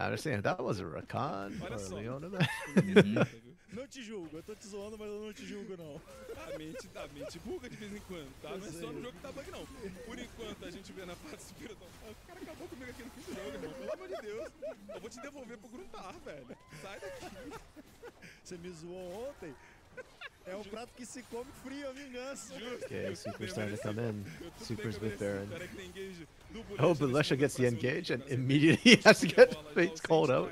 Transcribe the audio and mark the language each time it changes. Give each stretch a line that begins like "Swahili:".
English: I'm just saying, that was a Rakan or a Leona, man.
Portuguese: Não te julgo, eu tô te zoando, mas eu não te julgo, não. A mente buga de vez em quando, tá? Não é só no jogo que tá bug, não. Por enquanto, a gente vê na parte superior. Do... Ah, o cara acabou comigo aqui no fim do jogo, irmão. Pelo amor de Deus. Eu vou te devolver pro Gruntar, velho. Sai daqui. Você me zoou ontem? É um prato que se come frio, a vingança.
English: Ok, Super starting to come in. Super's with Baron. Oh, but Lusha gets the engage and immediately has to get Fates called out.